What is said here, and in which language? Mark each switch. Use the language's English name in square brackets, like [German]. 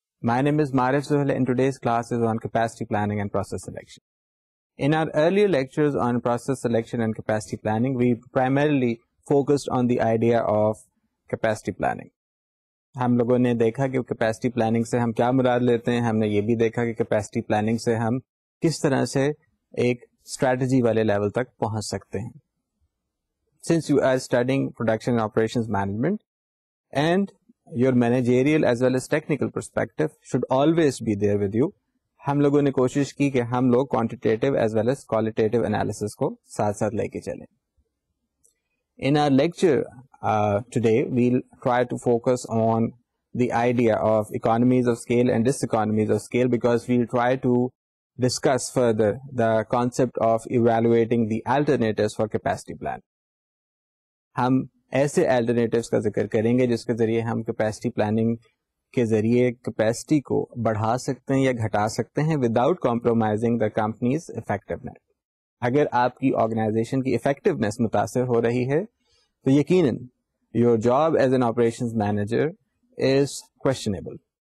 [English] My name is Marif Zuhal and today's class is on Capacity Planning and Process Selection. In our earlier lectures on process selection and capacity planning, we primarily focused on the idea of capacity planning. [Urdu] ہم لوگوں نے دیکھا کہ capacity planning سے ہم کیا مراد لیتے ہیں, ہم نے یہ بھی دیکھا کہ capacity planning سے ہم کس طرح سے ایک strategy والے level تک پہنچ سکتے ہیں. [English] Since you are studying production and operations management and your managerial as well as technical perspective should always be there with you, [Urdu] ہم لوگوں نے کوشش کی کہ ہم لوگ quantitative as well as qualitative analysis کو ساتھ ساتھ لے کے چلیں. [English] In our lecture today, we'll try to focus on the idea of economies of scale and diseconomies of scale because we'll try to discuss further the concept of evaluating the alternatives for capacity plan. [Urdu] ہم ایسے alternatives کا ذکر کریں گے جس کے ذریعے ہم کیپیسٹی پلاننگ کے ذریعے کیپیسٹی کو بڑھا سکتے ہیں یا گھٹا سکتے ہیں [English] Without compromising the companies effectiveness. [Urdu] اگر آپ کی آرگنائزیشن کی افیکٹونیس متاثر ہو رہی ہے تو یقیناً [English] Your job as an operations manager is questionable.